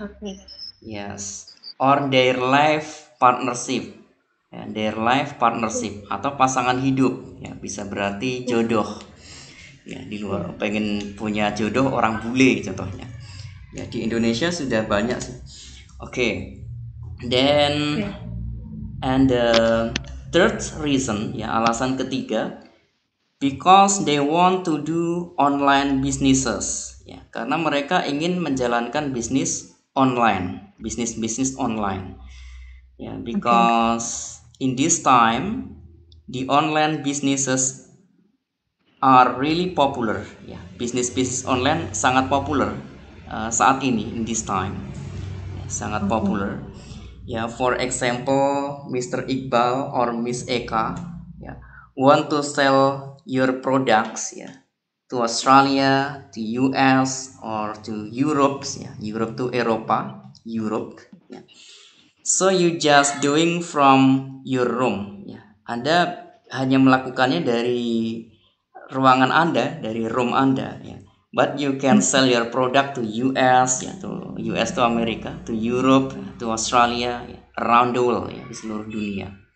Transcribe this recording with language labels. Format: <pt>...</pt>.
<en>okay. Yes, or their life partnership,</en> <id>ya,</id> <en>their life partnership,</en> <id>atau pasangan hidup, ya, bisa berarti jodoh, ya di luar, pengen punya jodoh orang bule contohnya. Ya di Indonesia sudah banyak sih. Oke.</id> <en>Then and the third reason,</en> <id>ya alasan ketiga,</id> <en>because they want to do online businesses.</en> <id>Ya, karena mereka ingin menjalankan bisnis online, bisnis-bisnis online.</id> <en>Ya, because in this time the online businesses are really popular.</en> <id>Ya, bisnis-bisnis online sangat populer saat ini,</id> <en>in this time.</en> <id>Ya, sangat popular. Ya,</id> <en>for example, Mr. Iqbal or Miss Eka, ya, want to sell your products, ya, to Australia, to US or to Europe, ya, Europe to Eropa, Europe, ya. So you just doing from your room, ya.</en> <id>Anda hanya melakukannya dari ruangan Anda, dari room Anda, ya.</id> <en>But you can sell your product to US, ya, to US to Amerika, to Europe, to Australia, ya, around the world, ya,</en> <id>di seluruh dunia.</id>